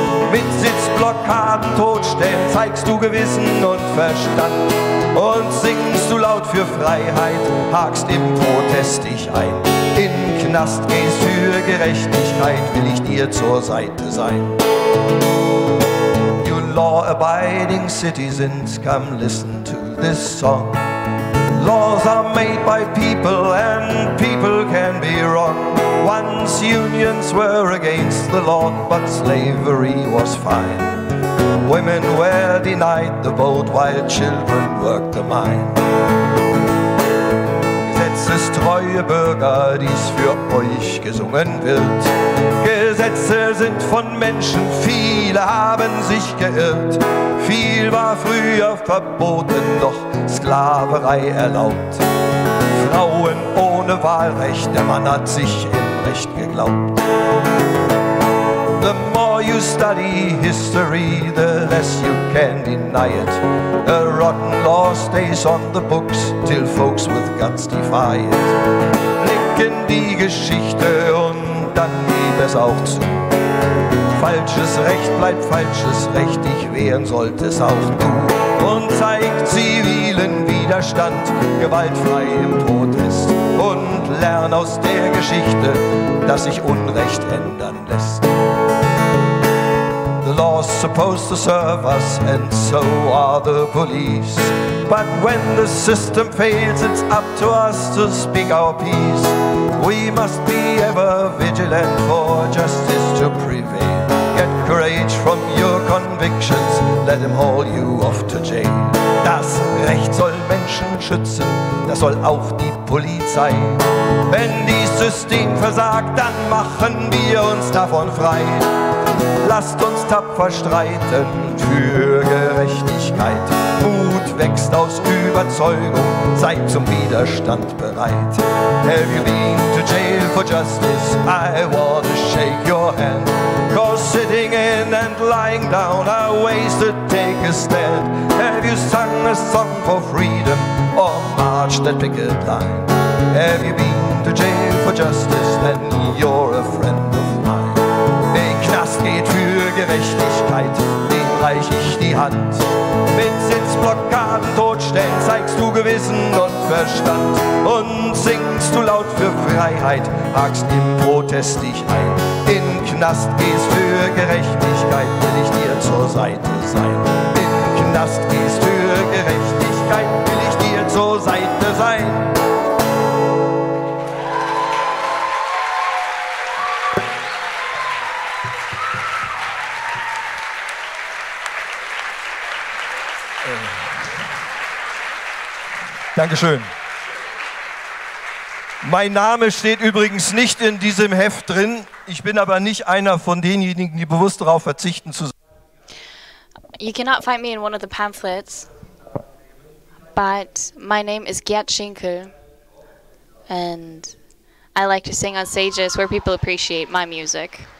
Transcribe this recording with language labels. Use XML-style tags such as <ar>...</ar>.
<de>Mit Sitzblockaden totstellen zeigst du Gewissen und Verstand. Und singst du laut für Freiheit, hakst im Protest dich ein. In Knast gehst für Gerechtigkeit, will ich dir zur Seite sein.</de> <en>You law-abiding citizens, come listen to this song. Laws are made by people and people can be wrong. Once unions were against the law, but slavery was fine. Women were denied the vote while children worked the mine.</en> <de>Gesetzestreue Bürger, dies für euch gesungen wird. Gesetze sind von Menschen, viele haben sich geirrt. Viel war früher verboten, doch Sklaverei erlaubt. Frauen ohne Wahlrecht, der Mann hat sich im Recht geglaubt.</de> <en>The more you study history, the less you can deny it. A rotten law stays on the books till folks with guts defy it.</en> <de>Blick in die Geschichte und dann gib es auch zu. Falsches Recht bleibt falsches Recht, dich wehren solltest auch du. Und zeig zivilen Widerstand, gewaltfrei im Protest. Und lern aus der Geschichte, dass sich Unrecht ändern lässt.</de> <en>The law's supposed to serve us and so are the police. But when the system fails, it's up to us to speak our peace. We must be ever vigilant for justice to prevail. Get courage from your convictions, let them haul you off to jail.</en> <de>Das Recht soll Menschen schützen, das soll auch die Polizei. Wenn dieses System versagt, dann machen wir uns davon frei. Lasst uns tapfer streiten für Gerechtigkeit. Mut wächst aus Überzeugung, seid zum Widerstand bereit.</de> <en>Have you been to jail for justice, I want to shake your hand. Cause sitting in and lying down are ways to take a stand. Have you sung a song for freedom or marched that picket line? Have you been to jail for justice? Then you're a friend of mine.</en> <de>Der Knast geht für Gerechtigkeit, den reich ich die Hand. Mit Sitzblockaden totstellen zeigst du Gewissen und Verstand. Und singst du laut für Freiheit, hakst im Protest dich ein. In Knast gehst für Gerechtigkeit, will ich dir zur Seite sein. In Knast gehst für Gerechtigkeit, will ich dir zur Seite sein. Dankeschön. Mein Name steht übrigens nicht in diesem Heft drin. Ich bin aber nicht einer von denjenigen, die bewusst darauf verzichten zu sein.</de> <en>You cannot find me in one of the pamphlets, but my name is Gert Schinkel, and I like to sing on stages where people appreciate my music.</en>